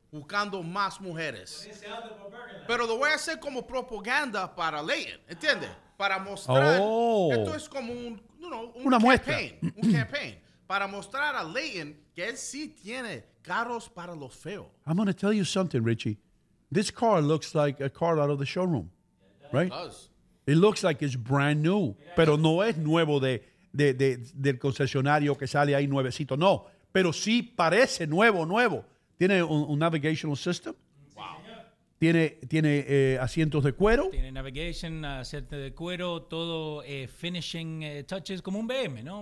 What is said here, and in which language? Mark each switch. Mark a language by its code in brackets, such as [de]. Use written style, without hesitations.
[es] Buscando más mujeres. Pero lo voy a hacer como propaganda para Leighton. ¿Entiendes? Para mostrar. Oh. Esto es como un, [en] you know, [es] un una campaign, muestra. Un campaign. Para mostrar a Leighton que él sí tiene carros para los feos. [en] I'm going to tell you something, Richie. This car looks like a car out of the showroom, right? It looks like it's brand new. [es] Pero no es nuevo del concesionario que sale ahí nuevecito, no. Pero sí parece nuevo. Tiene un navigational system. Wow. Tiene asientos de cuero. Tiene navigation, asientos de cuero, todo finishing touches, como un BM, ¿no?